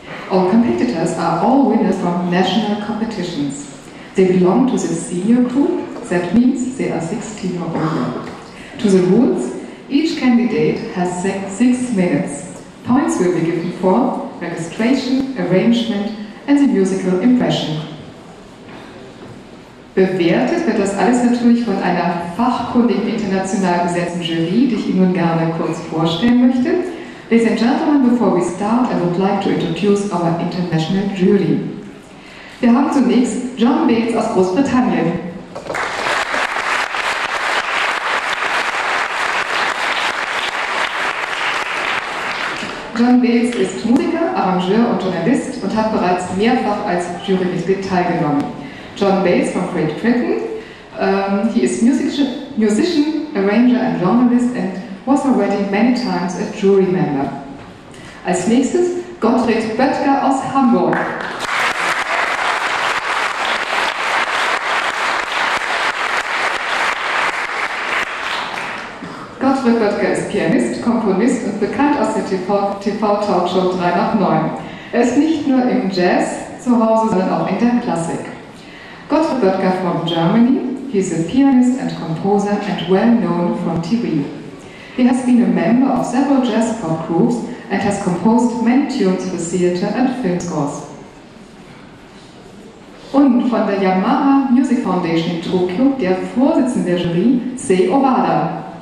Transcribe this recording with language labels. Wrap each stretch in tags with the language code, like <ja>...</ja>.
<en>All competitors are all winners from national competitions. They belong to the senior group, that means they are 16 or older. To the rules, each candidate has 6 minutes. Points will be given for registration, arrangement and the musical impression.</en> <de>Bewertet wird das alles natürlich von einer fachkundigen, international besetzten Jury, die ich Ihnen nun gerne kurz vorstellen möchte.</de> <en>Ladies and gentlemen, before we start, I would like to introduce our international jury.</en> <de>Wir haben zunächst John Bates aus Großbritannien. John Bates ist Musiker, Arrangeur und Journalist und hat bereits mehrfach als Jurymitglied teilgenommen.</de> <en>John Bates from Great Britain. He is musician, arranger and journalist and was already many times a jury member.</en> <de>Als nächstes Gottfried Böttger aus Hamburg. Gottfried Böttger ist Pianist, Komponist und bekannt aus der TV-Talkshow 3 nach 9. Er ist nicht nur im Jazz zu Hause, sondern auch in der Klassik.</de> <en>Gottfried Böttger from Germany. He is a pianist and composer and well known from TV. He has been a member of several jazz pop groups and has composed many tunes for theater and film scores.</en> <de>Und von der Yamaha Music Foundation in Tokio, der Vorsitzende der Jury, Sei Owada.</de>